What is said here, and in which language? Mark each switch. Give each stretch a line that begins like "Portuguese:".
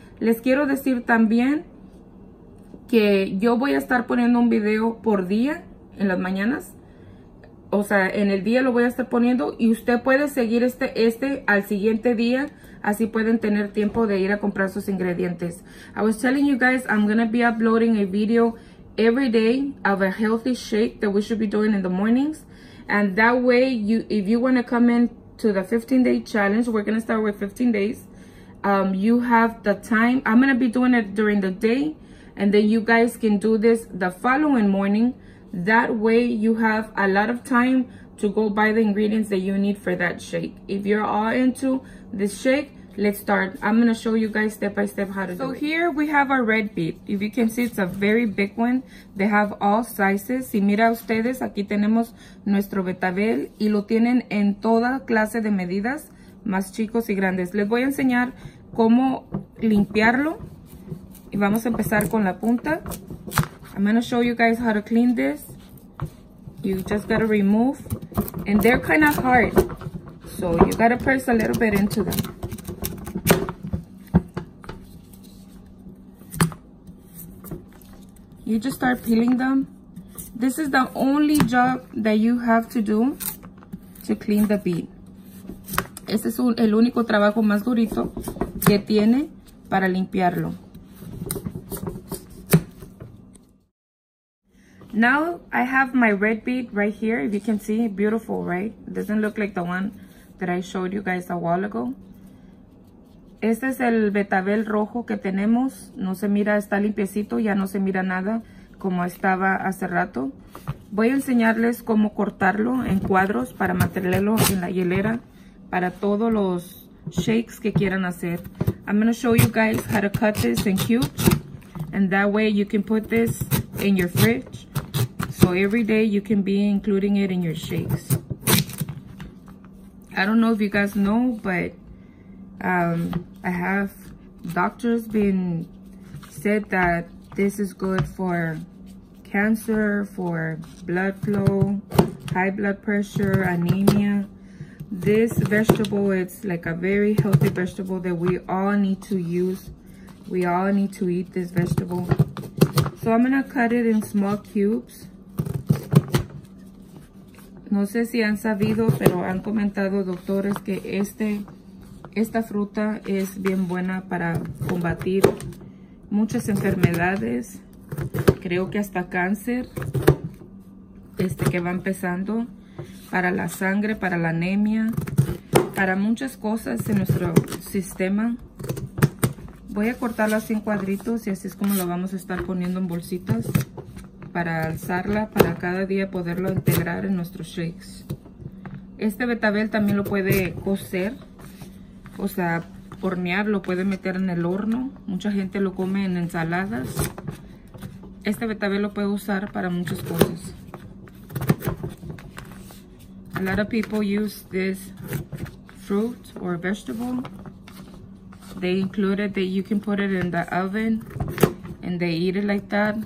Spanish: Les quiero decir también que yo voy a estar poniendo un video por día en las mañanas. O sea, en el día lo voy a estar poniendo, y usted puede seguir este al siguiente día. Así pueden tener tiempo de ir a comprar sus ingredientes.
English: I was telling you guys I'm going to be uploading a video every day of a healthy shake that we should be doing in the mornings, and that way if you want to come in to the 15 day challenge, we're going to start with 15 days, you have the time. I'm going to be doing it during the day, and then you guys can do this the following morning. That way you have a lot of time to go buy the ingredients that you need for that shake. If you're all into this shake, let's start. I'm gonna show you guys step by step how to do it. So here we have our red beet. If you can see, it's a very big one. They have all sizes.
Spanish: Si mira ustedes, aquí tenemos nuestro betabel, y lo tienen en toda clase de medidas, más chicos y grandes. Les voy a enseñar cómo limpiarlo, y vamos a empezar con la punta.
English: I'm gonna show you guys how to clean this. You just gotta remove, and they're kind of hard, so you gotta press a little bit into them. You just start peeling them. This is the only job that you have to do to clean the beet.
Spanish: Este es el único trabajo más durito que tiene para limpiarlo.
English: Now I have my red beet right here. If you can see, beautiful, right? Doesn't look like the one that I showed you guys a while ago.
Spanish: Este es el betabel rojo que tenemos. No se mira, está limpiecito, ya no se mira nada como estaba hace rato. Voy a enseñarles cómo cortarlo en cuadros para mantenerlo en la hielera para todos los shakes que quieran hacer.
English: I'm going to show you guys how to cut this in cubes, and that way you can put this in your fridge, so every day you can be including it in your shakes. I don't know if you guys know, but I have doctors been said that this is good for cancer, for blood flow, high blood pressure, anemia. This vegetable, it's like a very healthy vegetable that we all need to use We all need to eat this vegetable. So I'm gonna cut it in small cubes.
Spanish: No sé si han sabido, pero han comentado doctores que esta fruta es bien buena para combatir muchas enfermedades. Creo que hasta cáncer, que va empezando, para la sangre, para la anemia, para muchas cosas en nuestro sistema. Voy a cortarla así en cuadritos y así es como la vamos a estar poniendo en bolsitas para alzarla, para cada día poderlo integrar en nuestros shakes. Este betabel también lo puede cocer, o sea, hornear, lo puede meter en el horno. Mucha gente lo come en ensaladas. Este betabel lo puede usar para muchas cosas.
English: A lot of people use this fruit or vegetable. They include it, that you can put it in the oven and they eat it like that.